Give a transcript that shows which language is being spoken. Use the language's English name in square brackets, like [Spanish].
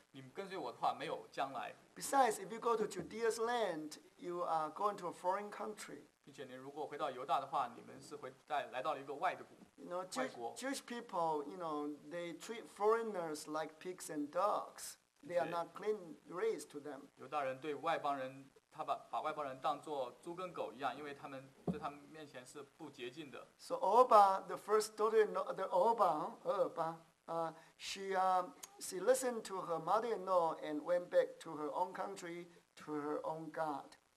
[English] Besides, if you go to Judea's land, you are going to a foreign country. [Chinese] 并且您如果回到犹大的话，你们是会带来到一个外的国。Jewish [English] people, you know, they treat foreigners like pigs and dogs. They are not clean race to them. [Chinese] 犹大人对外邦人，他把外邦人当做猪跟狗一样，因为他们在他们面前是不洁净的。So [English] Orba, the first daughter-in-law, the Orba, Orba, she listened to her mother-in-law and went back to her own country, to her own God.